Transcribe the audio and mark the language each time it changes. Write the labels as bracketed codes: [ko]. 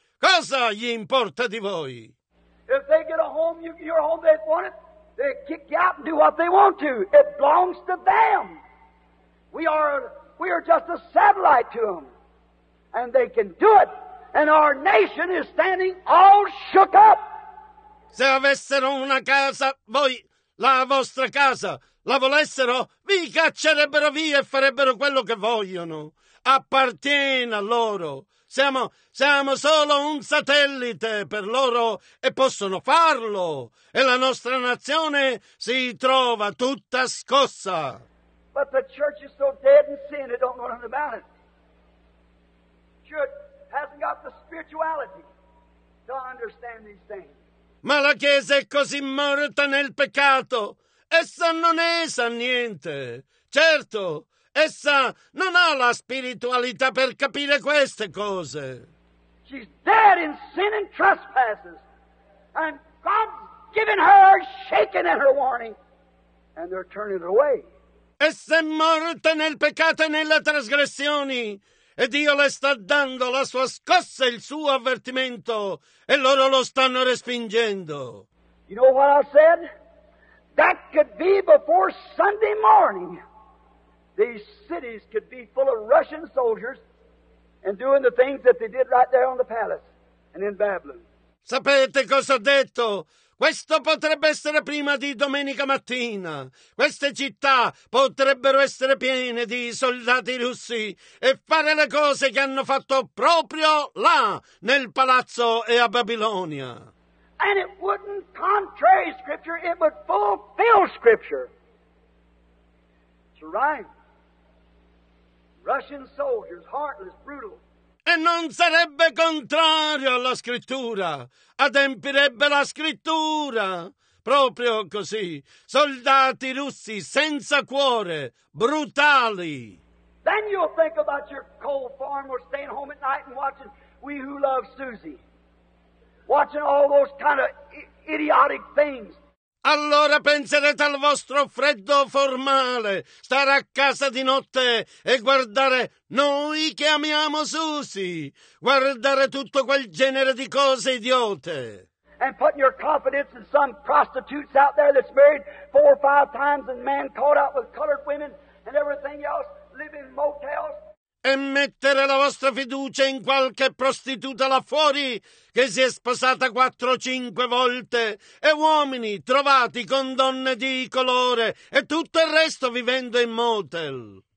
[it] Cosa gli importa di voi? [en] If they get a home, your home, they want it, they kick you out and do what they want to. It belongs to them. We are just a satellite to them. And they can do it. And our nation is standing all shook up. [it] Se avessero una casa, voi... La vostra casa, la volessero, vi caccerebbero via e farebbero quello che vogliono. Appartiene a loro. Siamo solo un satellite per loro e possono farlo. E la nostra nazione si trova tutta scossa. [en] But the church is so dead in sin, it don't know nothing about it. Church hasn't got the spirituality to understand these things. [it] Ma la Chiesa è così morta nel peccato. Essa non ne sa niente. Certo, essa non ha la spiritualità per capire queste cose. [en] She's dead in sin and trespasses. And God's given her shaking at her warning. And they're turning it away. [it] Essa è morta nel peccato e nelle trasgressioni. E Dio le sta dando la sua scossa e il suo avvertimento, e loro lo stanno respingendo. [en] You know what I said? That could be before Sunday morning. These cities could be full of Russian soldiers and doing the things that they did right there on the palace and in Babylon. [it] Sapete cosa ho detto? Questo potrebbe essere prima di domenica mattina. Queste città potrebbero essere piene di soldati russi e fare le cose che hanno fatto proprio là, nel palazzo e a Babilonia. [en] And it wouldn't contrary scripture, it would fulfill scripture. It's right. Russian soldiers, heartless, brutal. [it] E non sarebbe contrario alla scrittura. Adempirebbe la scrittura. Proprio così. Soldati russi senza cuore. Brutali. [en] Then you'll think about your cold farm or staying home at night and watching We Who Love Susie. Watching all those kind of idiotic things. [it] Allora penserete al vostro freddo formale, stare a casa di notte e guardare Noi che amiamo Susie, guardare tutto quel genere di cose idiote. [en] And putting your confidence in some prostitutes out there that's married four or five times and man caught out with colored women and everything else, living in motels. [it] E mettere la vostra fiducia in qualche prostituta là fuori che si è sposata 4-5 volte e uomini trovati con donne di colore e tutto il resto vivendo in motel.